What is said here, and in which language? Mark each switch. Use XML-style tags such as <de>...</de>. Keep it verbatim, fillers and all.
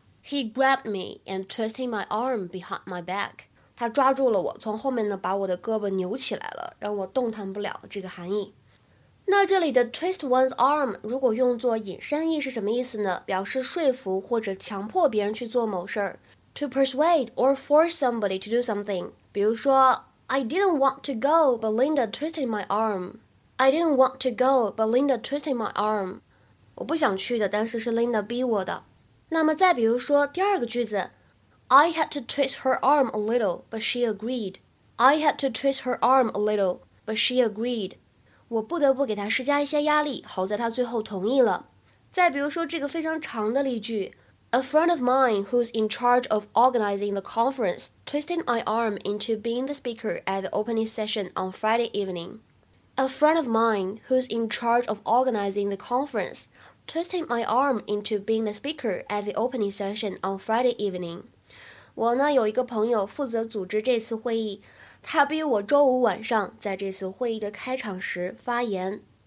<en>He grabbed me and twisted my arm behind my back.</en> <zh>他抓住了我，从后面呢把我的胳膊扭起来了，让我动弹不了。这个含义。那这里的</zh> <en>twist one's arm</en> <zh>如果用作引申义是什么意思呢？表示说服或者强迫别人去做某事儿。</zh> <en>To persuade or force somebody to do something.</en> <zh>比如说。</zh> <en>I didn't want to go, but Linda twisted my arm. I didn't want to go, but Linda twisted my arm.</en> <zh>我不想去的，但是是 Linda 逼我的。那么再比如说第二个句子 ，</zh> <en>I had to twist her arm a little, but she agreed. I had to twist her arm a little, but she agreed.</en> <zh>我不得不给她施加一些压力，好在她最后同意了。再比如说这个非常长的例句。</zh> <en>A friend of mine who's in charge of organizing the conference twisted my arm into being the speaker at the opening session on Friday evening. A friend of mine who's in charge of organizing the conference twisted my arm into being the speaker at the opening session on Friday evening.</en> <zh>我呢有一个朋友负责组织这次会议，他逼我周五晚上在这次会议的开场时发言。</zh>